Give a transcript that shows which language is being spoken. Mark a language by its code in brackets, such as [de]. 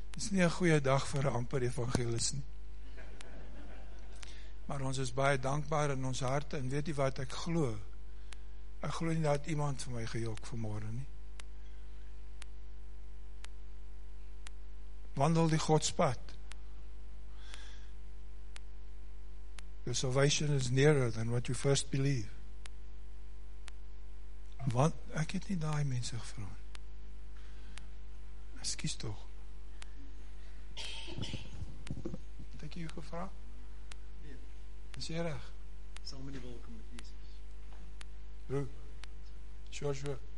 [af] Nie een goeie dag vir een amper evangelis nie. Maar ons is baie dankbaar in ons harte en weet jy wat ek glo? Ek glo nie dat iemand vir my gejok vanmorgen nie. Wandel die Godspad. [en] Your salvation is nearer than what you first believe. [af] Want ek het nie daai mense gevra. Excuse toch. Het ek jy gevra? Nee. Is jy reg? Saam in die wolke met Jesus. Hoe? Joshua.